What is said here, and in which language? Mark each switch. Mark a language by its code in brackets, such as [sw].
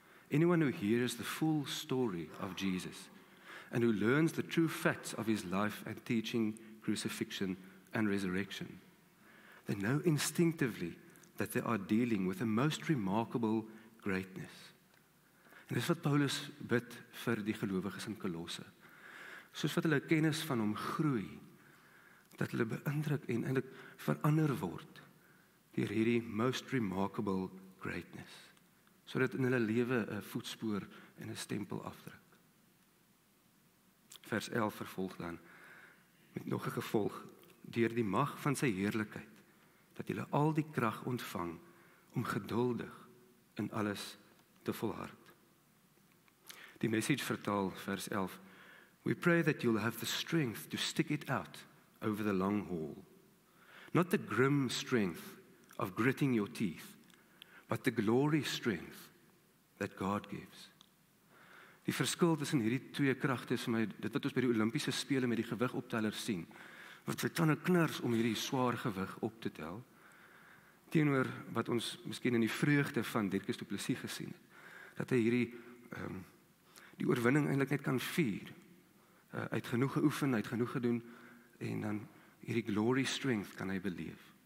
[en] Anyone who hears the full story of Jesus and who learns the true facts of his life and teaching, crucifixion and resurrection, they know instinctively that they are dealing with a most remarkable greatness. [af] En dis wat Paulus bid vir die gelowiges in Kolosse. Soos wat hulle kennis van hom groei, dat hulle beïndruk en eintlik verander word deur hierdie [en] most remarkable greatness, [af] sodat in hulle lewe 'n voetspoor en 'n stempel afdruk. Vers 11 vervolg dan met nog 'n gevolg, deur die mag van sy heerlikheid, dat julle al die krag ontvang om geduldig in alles te volhard. Die Message vertaal vers 11, [en] we pray that you'll have the strength to stick it out over the long haul. Not the grim strength of gritting your teeth, but the glory strength that God gives. [af] Die verskil tussen hierdie twee kragte is vir my, dit wat ons by die Olimpiese spele met die gewigoptellers sien, wat sy tande knars om hierdie swaar gewig op te tel, teenoor wat ons miskien in die vreugde van Dierkes du Plessis gesien het, dat hy hierdie die oorwinning eintlik net kan vier, uit genoeg geoefen, uit genoeg gedoen, en dan hierdie [en] glory strength [af] kan hy beleef.